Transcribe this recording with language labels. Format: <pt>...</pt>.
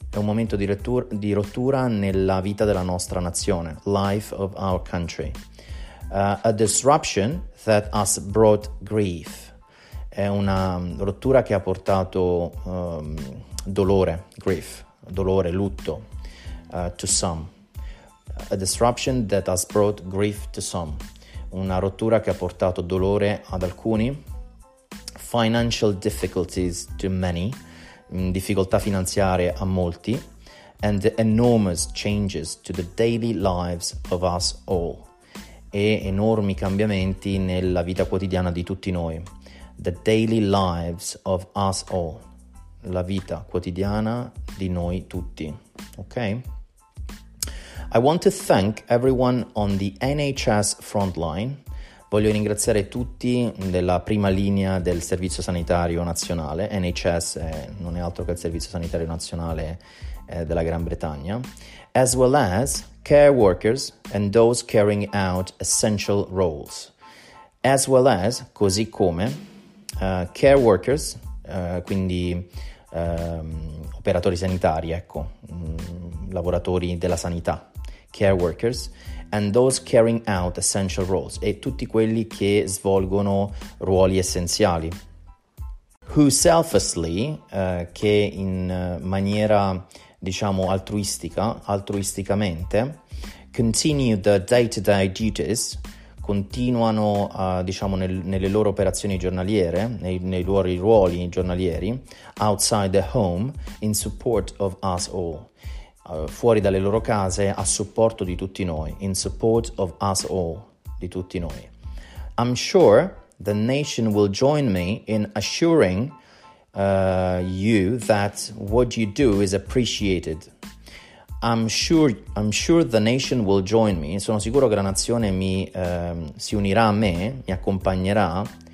<it>È un momento di rottura nella vita della nostra nazione,</it> <en>life of our country. A disruption that has brought grief.</en> <it>È una rottura che ha portato dolore, grief, dolore, lutto</it> <en>to some. A disruption that has brought grief to some.</en> <it>Una rottura che ha portato dolore ad alcuni.</it> <en>Financial difficulties to many.</en> <it>Difficoltà finanziarie a molti.</it> <en>And enormous changes to the daily lives of us all.</en> <it>E enormi cambiamenti nella vita quotidiana di tutti noi.</it> <en>The daily lives of us all.</en> <it>La vita quotidiana di noi tutti. Ok?</it> <en>I want to thank everyone on the NHS frontline.</en> <it>Voglio ringraziare tutti della prima linea del Servizio Sanitario Nazionale. NHS non è altro che il Servizio Sanitario Nazionale della Gran Bretagna.</it> <en>As well as care workers and those carrying out essential roles. As well as,</en> <it>così come,</it> <en>care workers,</en> <it>quindi operatori sanitari, ecco, lavoratori della sanità.</it> <en>Care workers and those carrying out essential roles</en> <it>e tutti quelli che svolgono ruoli essenziali,</it> <en>who selflessly</en> <it>che in maniera, diciamo, altruisticamente</it> <en>continue the day-to-day duties,</en> <it>continuano diciamo nelle loro operazioni giornaliere, nei loro ruoli giornalieri,</it> <en>outside the home in support of us all,</en> <it>fuori dalle loro case a supporto di tutti noi,</it> <en>in support of us all,</en> <it>di tutti noi.</it> <en>I'm sure the nation will join me in assuring you that what you do is appreciated. I'm sure the nation will join me.</en> <it>Sono sicuro che la nazione si unirà a me, mi accompagnerà.</it>